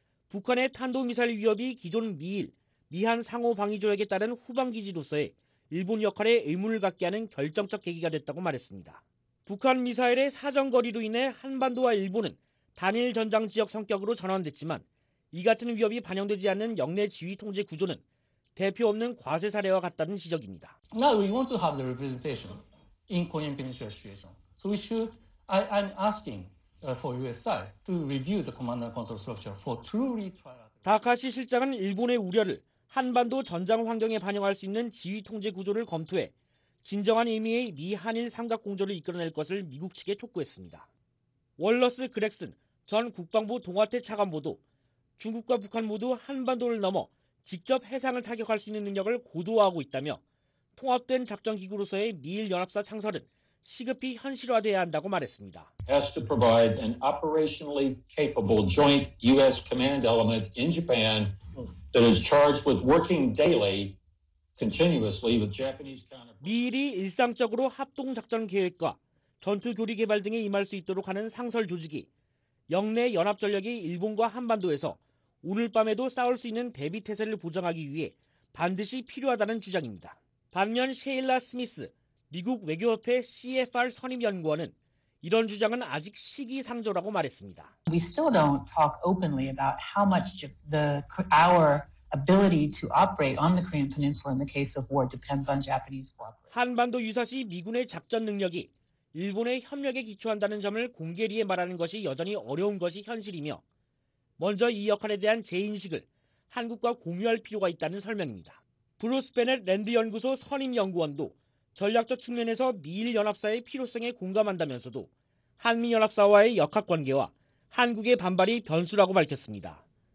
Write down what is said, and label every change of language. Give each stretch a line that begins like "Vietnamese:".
Korean: 북한의 탄도미사일 위협이 기존 미일, 미한 상호방위조약에 따른 후방기지로서의 일본 역할에 의문을 갖게 하는 결정적 계기가 됐다고 말했습니다. 북한 미사일의 사정거리로 인해 한반도와 일본은 단일 전장지역 성격으로 전환됐지만 이 같은 위협이 반영되지 않는 영내 지휘통제 구조는 대표 없는 과세 사례와 같다는 지적입니다.
English: Now we want to have the representation in Korean Peninsula situation. So we should, I'm asking for USI to review the command and control structure for truly trilateral.
Korean: 다카시 실장은 일본의 우려를 한반도 전장 환경에 반영할 수 있는 지휘통제 구조를 검토해 진정한 의미의 미한일 삼각공조를 이끌어낼 것을 미국 측에 촉구했습니다. 월러스 그렉슨 전 국방부 동아태 차관보도 중국과 북한 모두 한반도를 넘어 직접 해상을 타격할 수 있는 능력을 고도화하고 있다며 통합된 작전기구로서의 미일 연합사 창설은 시급히 현실화돼야 한다고 말했습니다.
English: Has to provide an operationally capable joint U.S. command element in Japan that is charged with working daily, continuously with Japanese counterparts.
Korean: 미일이 일상적으로 합동 작전 계획과 전투 교리 개발 등에 임할 수 있도록 하는 상설 조직이 영내 연합 전력이 일본과 한반도에서 오늘 밤에도 싸울 수 있는 대비 태세를 보장하기 위해 반드시 필요하다는 주장입니다. 반면 셰일라 스미스 미국 외교협회 CFR 선임연구원은 이런 주장은 아직 시기상조라고 말했습니다.
English: We still don't talk openly about how much our ability to operate on the Korean Peninsula in the case of war depends on Japanese cooperation.
Korean: 한반도 유사시 미군의 작전 능력이 일본의 협력에 기초한다는 점을 공개리에 말하는 것이 여전히 어려운 것이 현실이며 먼저 이 역할에 대한 재인식을 한국과 공유할 필요가 있다는 설명입니다. 브루스 베넷 랜드 연구소 선임연구원도 전략적 측면에서 미일 연합사의 필요성에 공감한다면서도 한미 연합사와의 역학 관계와 한국의 반발이 변수라고 밝혔습니다.